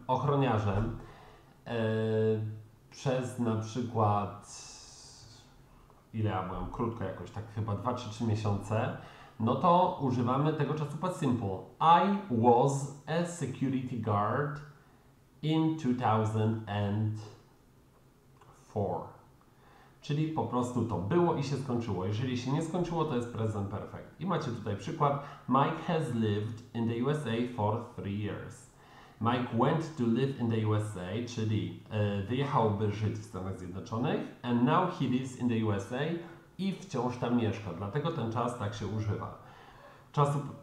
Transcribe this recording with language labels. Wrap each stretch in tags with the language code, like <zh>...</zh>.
<pl>Ochroniarzem przez na przykład, ile ja byłem? Krótko jakoś, tak chyba 2-3 miesiące. No to używamy tego czasu past simple.</pl> <en>I was a security guard in 2004.</en> <pl>Czyli po prostu to było i się skończyło. Jeżeli się nie skończyło, to jest present perfect. I macie tutaj przykład.</pl> <en>Mike has lived in the USA for 3 years. Mike went to live in the USA,</en> <pl>czyli wyjechałby żyć w Stanach Zjednoczonych.</pl> <en>And now he lives in the USA.</en> <pl>I wciąż tam mieszka. Dlatego ten czas tak się używa. Czasu...</pl>